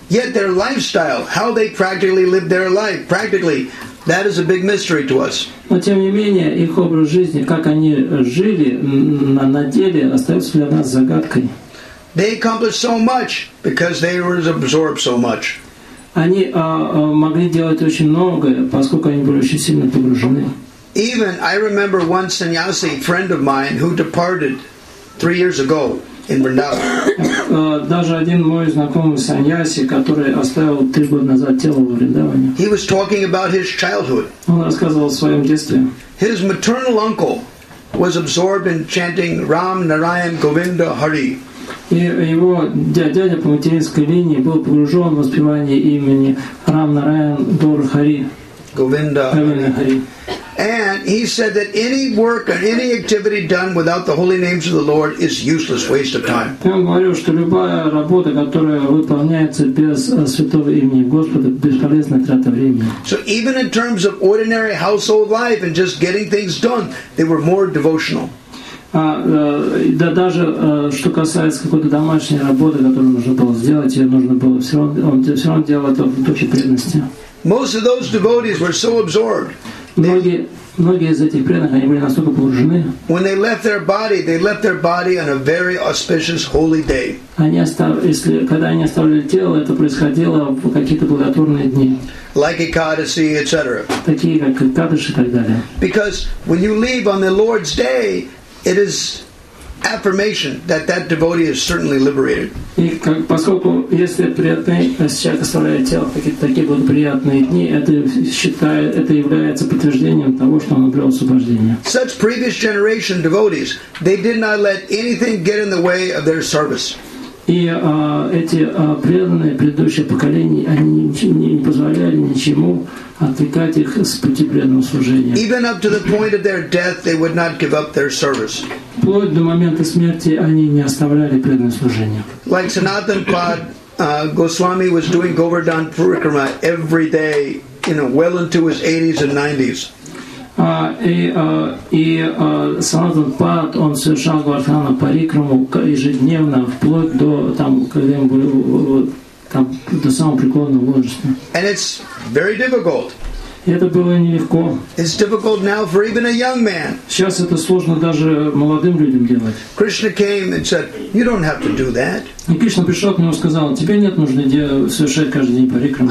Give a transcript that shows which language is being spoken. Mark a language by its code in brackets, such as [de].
[en] Yet their lifestyle, how they practically live their life, practically, that is a big mystery to us. [ru] Но тем не менее, их образ жизни, как они жили на деле, остается для нас загадкой. [en] They accomplished so much because they were absorbed so much. [ru] Они могли делать очень многое, поскольку они были очень сильно погружены. [en] Even I remember one sannyasi friend of mine who departed 3 years ago in Vrindavan. [ru] Даже один мой знакомый саньяси, который оставил 3 года назад тело в Вриндаване. [en] He was talking about his childhood. [ru] Он рассказывал о своем детстве. [en] His maternal uncle was absorbed in chanting Ram Narayan Govinda Hari. [ru] И его дядя по материнской линии был погружен в воспевание имени Рам Нараян Гор Хари. Говинда Хари. [en] And he said that any work or any activity done without the holy names of the Lord is useless, waste of time. [ru] Он говорил, что любая работа, которая выполняется без святого имени Господа, бесполезная трата времени. [en] So even in terms of ordinary household life and just getting things done, they were more devotional. [ru] Даже что касается какой-то домашней работы, которую нужно было сделать, ее нужно было все равно делать это в духе преданности. [en] Most of those devotees were so absorbed. [ru] Многие из этих преданных, они были настолько погружены. [en] When they left their body, they left their body on a very auspicious holy day. [ru] Когда они оставляли тело, это происходило в какие-то благотворные дни. [en] Like Ekadasi, etc. [ru] Такие как Экадаши и так далее. [en] Because when you leave on the Lord's day, it is affirmation that that devotee is certainly liberated. [ru] И поскольку если преданный человек оставляет тело, какие-то такие будут приятные дни, это является подтверждением того, что он обрел освобождение. [en] Such previous generation devotees, they did not let anything get in the way of their service. [ru] И эти преданные предыдущие поколения, они не позволяли ничему отвлекать их с пути преданного служения. [en] Even up to the point of their death, they would not give up their service. [ru] Вплоть до момента смерти они не оставляли преданное служение. [en] Like Sanatan Pad, Goswami was doing Govardhan Parikrama every day, you know, well into his 80s and 90s. [ru] Санатан Пад, он совершал Гвардхана Парикраму ежедневно, вплоть до там, когда ему были там, до самого преклонного возраста. [en] And it's very difficult. [ru] Это было нелегко. [en] It's difficult now for even a young man. [ru] Сейчас это сложно даже молодым людям делать. [en] Krishna came and said, "You don't have to do that." [ru] И Кришна пришел к нему и сказал: "Тебе нет нужды совершать каждый день парикраму."